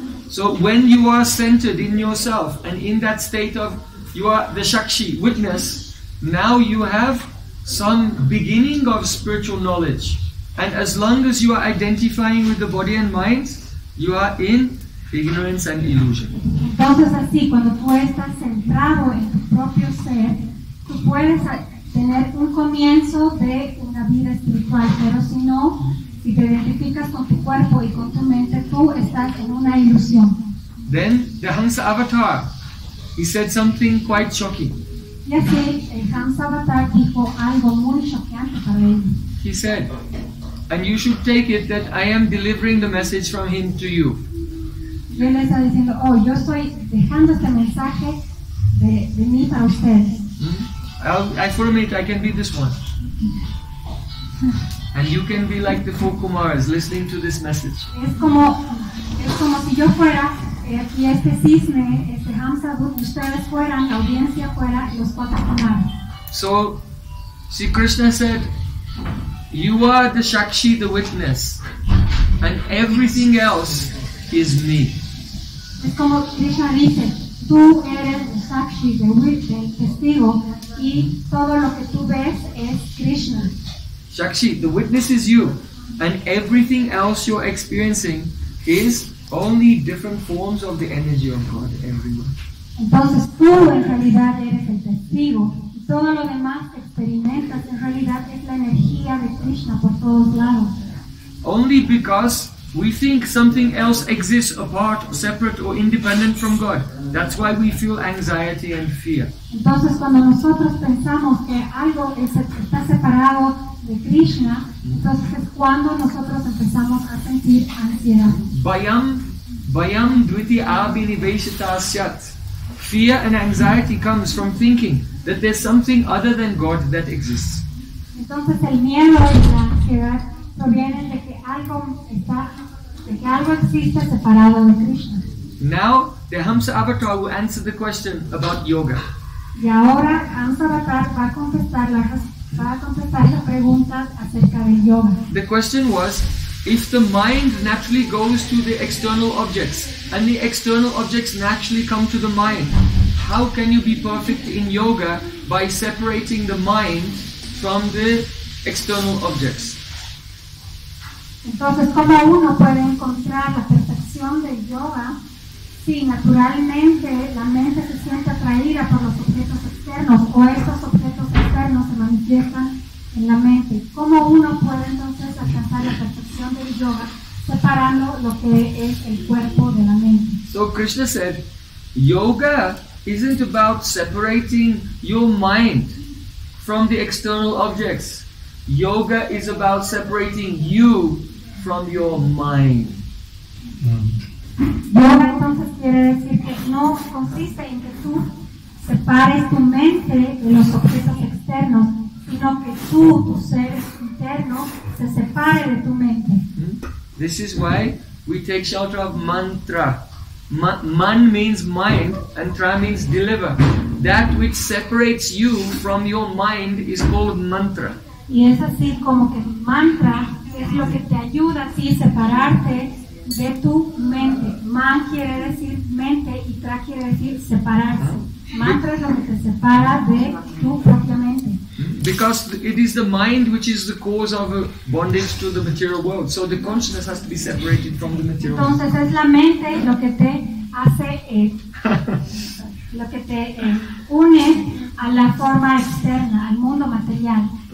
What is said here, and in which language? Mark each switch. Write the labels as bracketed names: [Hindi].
[English] So when you are centered in yourself and in that state of you are the Shakshi witness, Now you have some beginning of spiritual knowledge. And as long as you are identifying with the body and mind, you are in ignorance and illusion. [Spanish] Entonces así, cuando tú estás centrado en tu propio ser, tú puedes tener un comienzo de una vida espiritual, pero si no, si te identificas con tu cuerpo y con tu mente, tú estás en una ilusión. [English] Then the Hansa avatar, he said something quite shocking. [Spanish] Y así, el Hansa avatar dijo algo muy choqueante para él. [English] He said, and you should take it that I am delivering the message from him to you. [Spanish] Y él está diciendo, oh, yo estoy dejando este mensaje de mí para ustedes. [English] For a minute, I can be this one. And you can be like the four Kumaras listening to this message. [Spanish] Es como si yo fuera aquí este cisne, este Hamsa, ustedes fueran, la audiencia fuera, los cuatro Kumaras. [English] So, see, Krishna said, you are the Shakshi, the witness, and everything else is me. [Spanish] Es como Krishna dice, tú eres el Shakshi, el testigo, y todo lo que tú ves es Krishna. [English] Shakshi, the witness is you, and everything else you're experiencing is only different forms of the energy of God everywhere. [Spanish] Entonces tú en realidad eres el testigo. Todo lo demás que experimentas en realidad es la energía de Krishna por todos lados. [English] Only because we think something else exists apart, separate or independent from God. That's why we feel anxiety and fear. [Spanish] Entonces cuando nosotros pensamos que algo está separado de Krishna, entonces es cuando nosotros empezamos a sentir ansiedad. [Sanskrit] Bayam dviti abhinivesita asyat. [English] Fear and anxiety comes from thinking that there's something other than God that exists. [Spanish] Entonces el miedo y la ansiedad provienen de que algo está, de que algo existe separado de Krishna. [English] Now the Hamsa avatar will answer the question about yoga. [Spanish] Y ahora Hamsa avatar va a contestar la pregunta acerca del yoga. [English] The question was, if the mind naturally goes to the external objects, and the external objects naturally come to the mind, how can you be perfect in yoga by separating the mind from the external objects? [Spanish] Entonces, ¿cómo uno puede encontrar la perfección del yoga si naturalmente la mente se siente atraída por los objetos externos o estos objetos externos se manifiestan en la mente? ¿Cómo uno puede entonces alcanzar la perfección del yoga separando lo que es el cuerpo de la mente? [English] So Krishna said, yoga isn't about separating your mind from the external objects. Yoga is about separating you from your mind. [Spanish] Yoga entonces quiere decir que no consiste en que tú separes tu mente de los objetos externos, sino que tú, tu ser interno, se separe de tu mente. [English] This is why we take shelter of mantra. Man means mind and tra means deliver. That which separates you from your mind is called mantra. [Spanish] Y es así como que mantra es lo que te ayuda así a separarte de tu mente. Man quiere decir mente y tra quiere decir separarse. Mantra es lo que te separa de tu propia mente. [English] Because it is the mind which is the cause of bondage to the material world. So the consciousness has to be separated from the material world. [Spanish] Entonces es la mente lo que te hace, lo que te une a la forma externa, al mundo material.